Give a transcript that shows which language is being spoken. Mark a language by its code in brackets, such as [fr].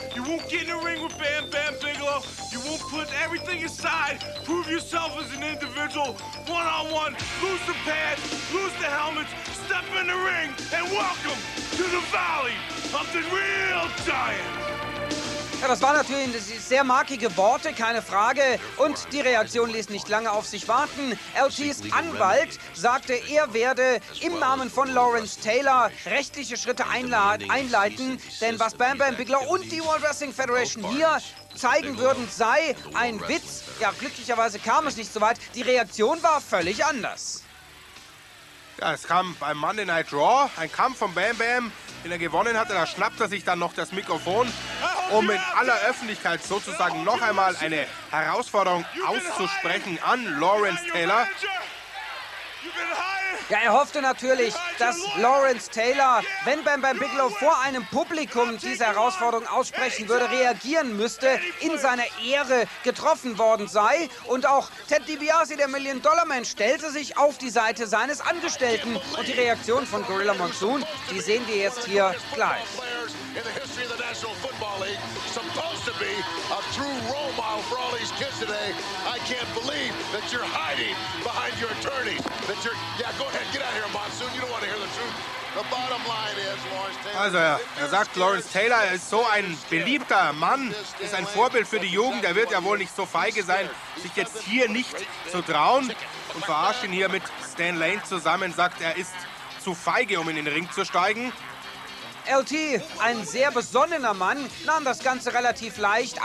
[en] You won't get in the ring with Bam Bam Bigelow. You won't put everything aside. Prove yourself as an individual. One-on-one, lose the pads, lose the helmets, step in the ring, and welcome to the Valley of the Real Giants. [de] Ja, das waren natürlich sehr markige Worte, keine Frage. Und die Reaktion ließ nicht lange auf sich warten. LTs Anwalt sagte, er werde im Namen von Lawrence Taylor rechtliche Schritte einleiten. Denn was Bam Bam Bigelow und die World Wrestling Federation hier zeigen würden, sei ein Witz. Ja, glücklicherweise kam es nicht so weit. Die Reaktion war völlig anders. Ja, es kam beim Monday Night Raw ein Kampf von Bam Bam. Wenn er gewonnen hatte, da schnappt er sich dann noch das Mikrofon, um in aller Öffentlichkeit sozusagen noch einmal eine Herausforderung auszusprechen an Lawrence Taylor. Ja, er hoffte natürlich, dass Lawrence Taylor, wenn Bam Bam Bigelow vor einem Publikum diese Herausforderung aussprechen würde, reagieren müsste, in seiner Ehre getroffen worden sei. Und auch Ted DiBiase, der Million-Dollar-Man, stellte sich auf die Seite seines Angestellten. Und die Reaktion von Gorilla Monsoon, die sehen wir jetzt hier gleich. [en] In the history of the National Football League, supposed to be a true role model for all these kids today. I can't believe that you're hiding behind your attorney. That you're, yeah, go ahead, get out of here, Monsoon. You don't want to hear the truth. The bottom line is, Lawrence Taylor. [de] Also, ja, er sagt, Lawrence Taylor ist so ein beliebter Mann, ist ein Vorbild für die Jugend. Er wird ja wohl nicht so feige sein, sich jetzt hier nicht zu trauen und verarscht ihn hier mit Stan Lane zusammen. Sagt, er ist zu feige, um in den Ring zu steigen. LT, ein sehr besonnener Mann, nahm das Ganze relativ leicht.